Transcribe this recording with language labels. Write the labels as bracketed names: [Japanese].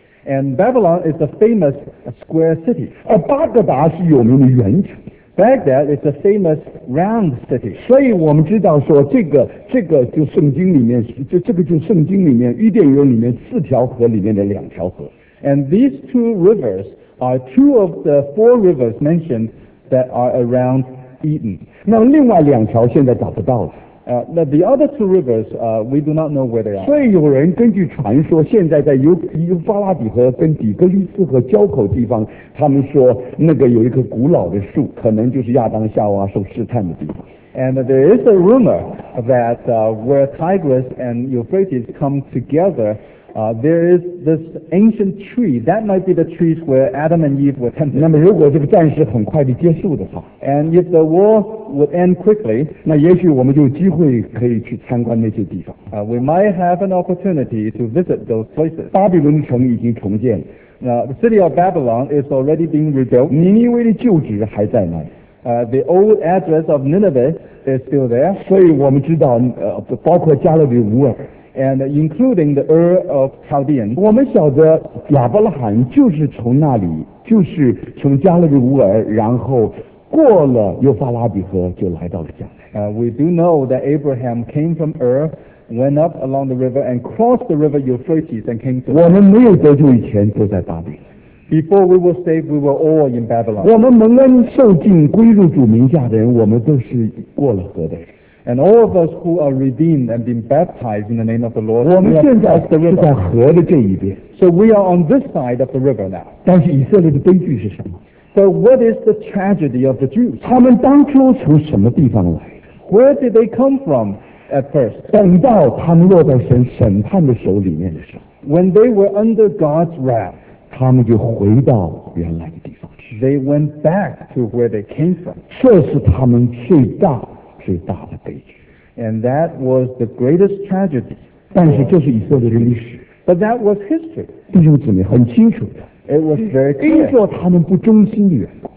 [English] And Babylon is a famous square city. [Chinese] 而巴格达是有名的圆城。 [English] Baghdad is a famous round city. [Chinese] 所以我们知道说这个就圣经里面，这个就圣经里面伊甸园里面四条河里面的两条河。 [English] And these two rivers. Are two of the four rivers mentioned that are around Eden. [Chinese] 那另外两条现在找不到了。 [English] The other two rivers, we do not know where they are. [Chinese] 所以有人根据传说，现在在尤法拉底河跟底格利斯河交口地方，他们说那个有一棵古老的树，可能就是亚当夏娃受试探的地方。 [English] And there is a rumor that where Tigris and Euphrates come together. There is this ancient tree. That might be the trees where Adam and Eve were tempted. [Chinese] 那么如果这个战事很快地结束的话， [English] And if the war would end quickly, [Chinese] 那也许我们就有机会可以去参观那些地方。 [English] We might have an opportunity to visit those places. [Chinese] 巴比伦城已经重建了。 [English] Now, the city of Babylon is already being rebuilt. [Chinese] 尼尼微的旧址还在那里。 [English] The old address of Nineveh is still there. [Chinese] 所以我们知道，包括加勒底乌尔。 [English] And including the Ur of Chaldean. [Chinese] 我们晓得亚伯拉罕就是从那里，就是从加勒底乌尔，然后过了约法拉底河，就来到了迦南。 [English] We do know that Abraham came from Ur, went up along the river, and crossed the river Euphrates, and came to. [Chinese] 我们没有得救以前都在巴比伦。 [English] Before we were saved, we were all in Babylon. [Chinese] 我们蒙恩受尽归入主名下的人，我们都是过了河的人。 [English] And all of us who are redeemed and been baptized in the name of the Lord, [Chinese] 我们现在是在河的这一边。 [English] So we are on this side of the river now. [Chinese] 但是以色列的悲剧是什么？ [English] So what is the tragedy of the Jews? [Chinese] 他们当初从什么地方来？ [English] Where did they come from at first? [Chinese] 等到他们落在神审判的手里面的时候， [English] When they were under God's wrath, [Chinese] 他们就回到原来的地方去。 [English] They went back to where they came from. [Chinese] 这是他们最大最大的悲剧。 [English] And that was the greatest tragedy. [Chinese] 但是这是以色列的历史。 [English] But that was history. [Chinese] 弟兄姊妹很清楚的。 [English] It was very clear. [Chinese] 因着他们不忠心的缘故。